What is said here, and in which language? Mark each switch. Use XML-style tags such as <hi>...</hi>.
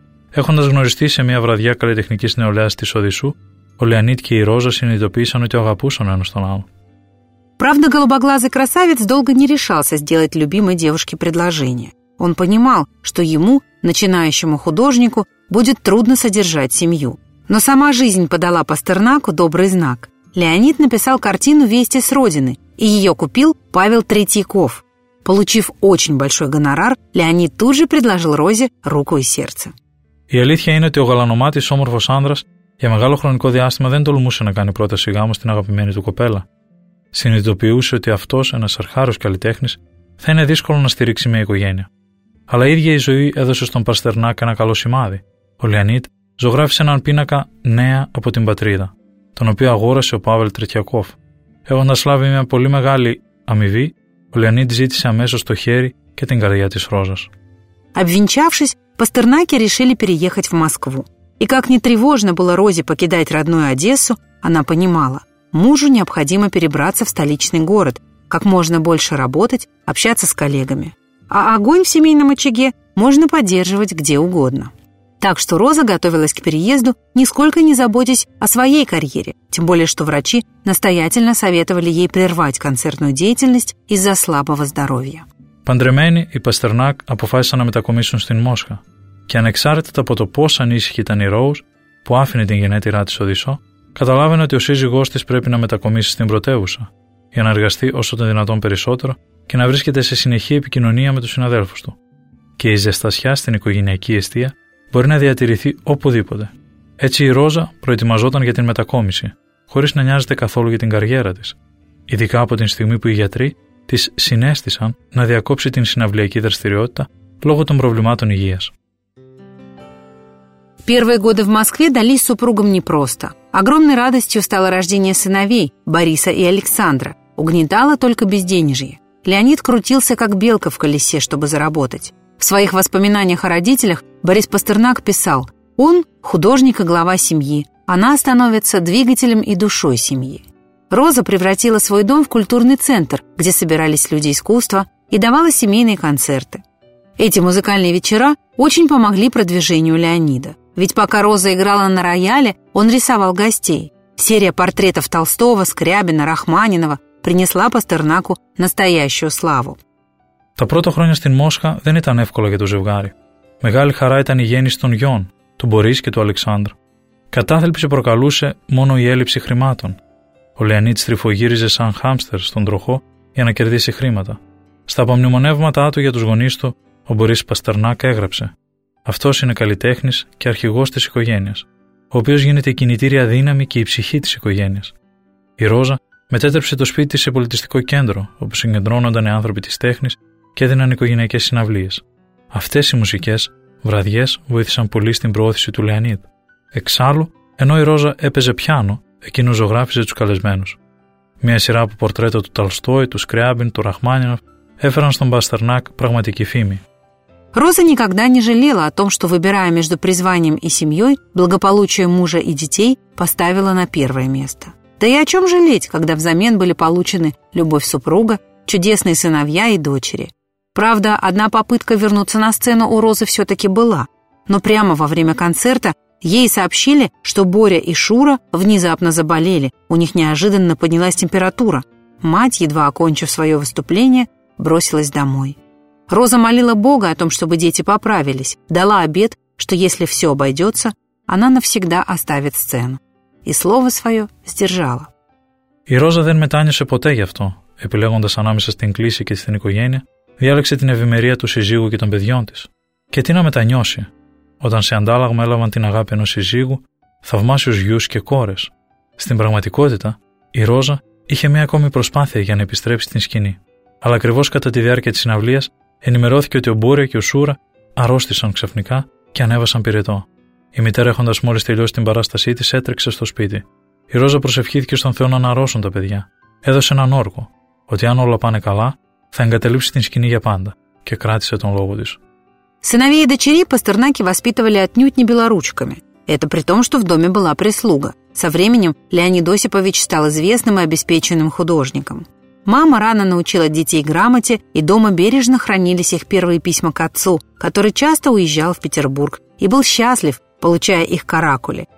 <el>Έχοντας γνωριστεί σε μια βραδιά καλλιτεχνικής νεολαίας της Οδυσσού, ο Леонид και η Ρόζα συνειδητοποίησαν ότι αγαπούσαν ένας τον άλλον.</el> <ru>Правда, голубоглазый красавец долго не решался сделать любимой девушке предложение. Он понимал, что ему, начинающему художнику, будет трудно содержать семью. Но сама жизнь подала Пастернаку добрый знак. Леонид написал картину «Вести с родины», и ее купил Павел Третьяков. Получив очень большой гонорар, Леонид тут же предложил Розе руку и сердце.</ru> <el>Η αλήθεια είναι ότι ο γαλανομάτης όμορφος άνδρας για μεγάλο χρονικό διάστημα δεν τολμούσε να κάνει πρόταση γάμου στην αγαπημένη του κοπέλα. Συνειδητοποιούσε ότι αυτός, ένας αρχάριος καλλιτέχνης, θα είναι δύσκολο να στηρίξει μια οικογένεια. Αλλά η ίδια η ζωή έδωσε στον Παστερνάκ ένα καλό σημάδι. Ο Λεωνίδ ζωγράφησε έναν πίνακα νέα από την πατρίδα, τον οποίο αγόρασε ο Παύλ Τρετιακόφ. Έχοντας λάβει μια πολύ μεγάλη αμοιβή, ο Λεωνίδ ζήτησε αμέσως το χέρι και την καρδιά της Ρόζας.</el> <ru>Обвенчавшись, Пастернаки решили переехать в Москву. И как ни тревожно было Розе покидать родную Одессу, она понимала, мужу необходимо перебраться в столичный город, как можно больше работать, общаться с коллегами. А огонь в семейном очаге можно поддерживать где угодно. Так что Роза готовилась к переезду, нисколько не заботясь о своей карьере, тем более что врачи настоятельно советовали ей прервать концертную деятельность из-за слабого здоровья.</ru> <el>Παντρεμένη, η Pasternak αποφάσισαν να μετακομίσουν στην Μόσχα. Και ανεξάρτητα από το πόσο ανήσυχη ήταν η Rose, που άφηνε την γενέτειρά της Οδυσσό, καταλάβαινε ότι ο σύζυγός της πρέπει να μετακομίσει στην πρωτεύουσα, για να εργαστεί όσο το δυνατόν περισσότερο και να βρίσκεται σε συνεχή επικοινωνία με τους συναδέλφους του. Και η ζεστασιά στην οικογενειακή εστία μπορεί να διατηρηθεί οπουδήποτε. Έτσι η Ρόζα προετοιμαζόταν για την μετακόμιση, χωρίς να νοιάζεται καθόλου για την καριέρα της. Ειδικά από την στιγμή που οι γιατροί της συνέστησαν να διακόψει την συναυλιακή δραστηριότητα λόγω των προβλημάτων υγείας.</el> <ru>Первые годы в Москве дались супругам непросто. Огромной радостью стало рождение сыновей, Бориса и Александра. Угнетало только безденежье. Леонид крутился, как белка в колесе, чтобы заработать. В своих воспоминаниях о родителях Борис Пастернак писал: «Он – художник и глава семьи. Она становится двигателем и душой семьи». Роза превратила свой дом в культурный центр, где собирались люди искусства и давала семейные концерты. Эти музыкальные вечера очень помогли продвижению Леонида. Ведь пока Роза играла на рояле, он рисовал гостей. Серия портретов Толстого, Скрябина, Рахманинова принесла Пастернаку настоящую славу.</ru> <el>Τα πρώτα χρόνια στην Μόσχα δεν ήταν εύκολα για το ζευγάρι. Μεγάλη χαρά ήταν η γέννηση των γιών, του Μπορίς και του Αλεξάνδρου. Κατάθλιψη προκαλούσε μόνο η έλλειψη χρημάτων. Ο Λεωνίδης τριφογύριζε σαν χάμστερ στον τροχό για να κερδίσει χρήματα. Στα απομνημονεύματά του για τους γονείς του, ο Μπορίς Πασταρνάκ έγραψε: «Αυτός είναι καλλιτέχνης και αρχηγός της οικογένειας, ο οποίος γίνεται η κινητήρια δύναμη και η ψυχή της οικογένειας». Η Ρόζα μετέτρεψε το σπίτι σε πολιτιστικό κέντρο, όπου συγκεντρώνονταν οι άνθρωποι της τέχνης και έδιναν οικογενειακές συναυλίες. Αυτές οι μουσικές βραδιές βοήθησαν πολύ στην προώθηση του Λεωνίδη. Εξάλλου, ενώ η Ρόζα έπαιζε πιάνο, εκείνος ζωγράφιζε τους καλεσμένους. Μια σειρά από πορτρέτα του Ταλστόη, του Σκρέαμπιν, του Ραχμάνινοφ έφεραν στον Πασταρνάκ πραγματική φήμη.</el> <ru>Роза никогда не жалела о том, что, выбирая между призванием и семьей, благополучие мужа и детей поставила на первое место. Да и о чем жалеть, когда взамен были получены любовь супруга, чудесные сыновья и дочери. Правда, одна попытка вернуться на сцену у Розы все-таки была. Но прямо во время концерта ей сообщили, что Боря и Шура внезапно заболели, у них неожиданно поднялась температура. Мать, едва окончив свое выступление, бросилась домой. Роза молила Бога о том, чтобы дети поправились, дала обет, что если все обойдется, она навсегда оставит сцену. И слово свое сдержала. И Роза</ru> <el>δεν μετάνιωσε ποτέ γι' αυτό, επιλέγοντας ανάμεσα στην κλίση και στην οικογένεια, διάλεξε την ευημερία του συζύγου και των παιδιών της. Και τι να μετανιώσει, όταν σε αντάλλαγμα έλαβαν την αγάπη ενός συζύγου, θαυμάσιους γιους και κόρες. Στην πραγματικότητα, η Ρόζα είχε μία ακόμη προσπάθεια για να επιστρέψει στην σκηνή. Αλλά ακριβώς κατά τη διάρκεια της συναυλίας ενημερώθηκε ότι ο Μπόρια και ο Σούρα αρρώστησαν ξαφνικά και ανέβασαν πυρετό. Η μητέρα, έχοντας μόλις τελειώσει την παράστασή της, έτρεξε στο σπίτι. Η Ρόζα προσευχήθηκε στον Θεό να αναρρώσουν τα παιδιά. Έδωσε έναν όρκο, ότι αν όλα πάνε καλά, θα εγκαταλείψει την σκηνή για πάντα, και κράτησε τον λόγο της.</el> <ru>Сыновей и дочерей Пастернаки воспитывали отнюдь не белоручками. Это при том, что в доме была прислуга. Со временем Леонид Осипович стал известным и обеспеченным художником. Мама рано научила детей грамоте, и дома бережно хранились их первые письма к отцу, который часто уезжал в Петербург и был счастлив, получая их каракули.</ru>